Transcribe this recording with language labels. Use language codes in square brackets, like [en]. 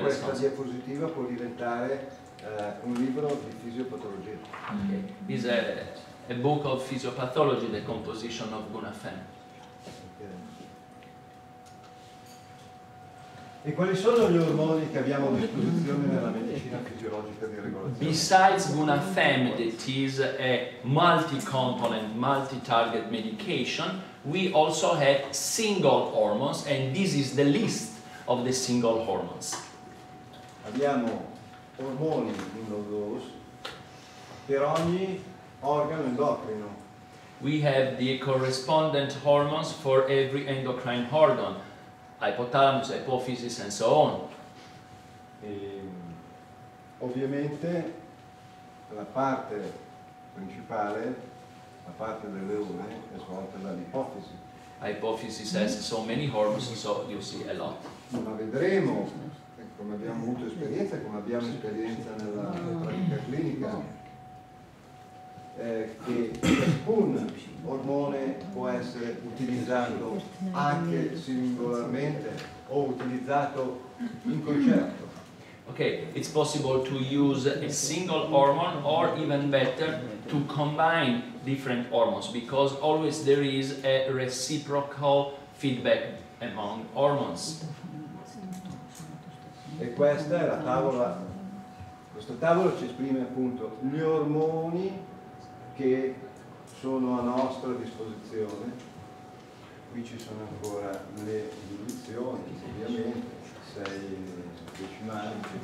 [it] Questa diapositiva può diventare un libro di fisiopatologia. [en] Okay, is a book of physiopathology, the composition of Guna Fem. Okay. [it] E quali sono gli ormoni che abbiamo a disposizione nella medicina fisiologica di regolazione? [en] Besides Gunafem, that is a multi-component, multi-target medication, we also have single hormones, and this is the list of the single hormones. [it] Abbiamo ormoni in low dose per ogni organo endocrino. [en] We have the correspondent hormones for every endocrine organ, hypothalamus, hypophysis, and so on. [it] E, ovviamente la parte principale, la parte delle ume, è svolta dall'ipofisi. [en] Hypophysis has so many hormones, so you see a lot. [it] Ma vedremo, come abbiamo avuto esperienza, come abbiamo esperienza nella pratica clinica, che ciascun ormone può essere utilizzato anche singolarmente o utilizzato in concerto. [en] Okay, it's possible to use a single hormone or even better to combine different hormones because always there is a reciprocal feedback among hormones. [it] E questa è la tavola. Questo tavolo ci esprime appunto gli ormoni che sono a nostra disposizione. Qui ci sono ancora le diluizioni, ovviamente, 6 decimali.